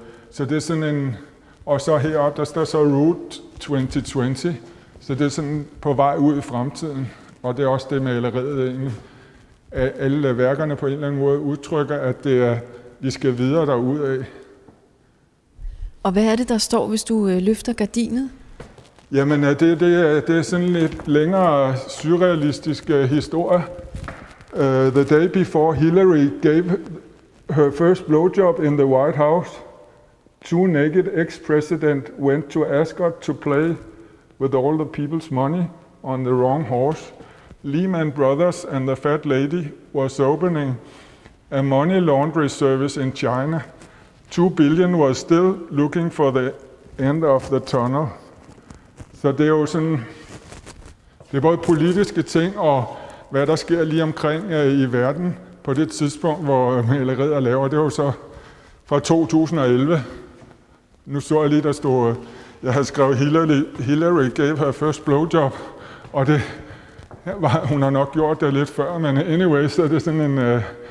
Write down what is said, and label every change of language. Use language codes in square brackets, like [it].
[da] Så det er sådan en, og så heroppe, der står så Route 2020, så det er sådan på vej ud i fremtiden, og det er også det maleriet egentlig, at alle værkerne på en eller anden måde udtrykker, at det er, vi skal videre derudad. Og hvad er det, der står, hvis du løfter gardinet? Jamen, det er sådan en lidt længere surrealistisk historie. [en] The day before Hillary gave her first blowjob in the White House, two naked ex-president went to Ascot to play with all the people's money on the wrong horse. Lehman Brothers and the fat lady was opening a money laundry service in China. $2 billion was still looking for the end of the tunnel. [da] Så det er jo sådan, det er både politiske ting og hvad der sker lige omkring i verden på det tidspunkt, hvor maleriet laver. Det er jo så fra 2011. Nu så jeg lige, der stod, jeg havde skrevet, [en] Hillary gave her first blowjob, [da] og det var, hun har nok gjort det lidt før, men anyway, så er det sådan en...